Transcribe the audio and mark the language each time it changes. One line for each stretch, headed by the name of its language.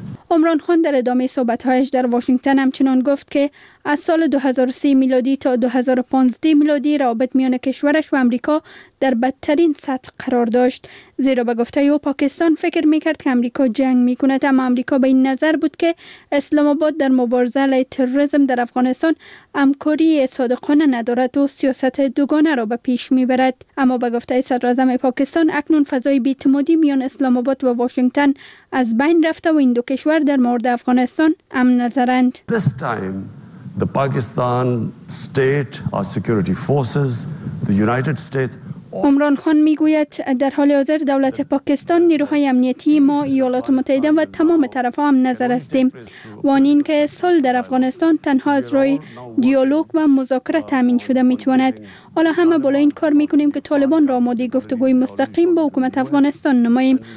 Persian: عمران خان در ادامه صحبت‌هایش در واشنگتن همچنان گفت که از سال 2003 میلادی تا 2015 میلادی روابط میان کشورش و آمریکا در بدترین سطح قرار داشت، زیرا به گفته او پاکستان فکر می‌کرد که آمریکا جنگ می‌کند، اما آمریکا به این نظر بود که اسلام آباد در مبارزه علیه تروریسم در افغانستان همکاری صادقانه ندارد و سیاست دوگانه را به پیش می‌برد. اما به گفته صدر اعظم پاکستان اکنون فضای بی‌اعتمادی میان اسلام آباد و واشنگتن از بین رفته و این دو کشور در مورد افغانستان هم نظرند.
English: This time the Pakistan state, our security forces, the United States.
Persian: عمران خان میگوید در حال حاضر دولت پاکستان، نیروهای امنیتی ما، ایالات متحده و تمام طرف ها هم نظر هستیم. وان این که صلح در افغانستان تنها از روی دیالوگ و مذاکره تامین شده میتواند. حالا همه بالا این کار میکنیم که طالبان را آماده گفتگوی مستقیم با حکومت افغانستان نماییم.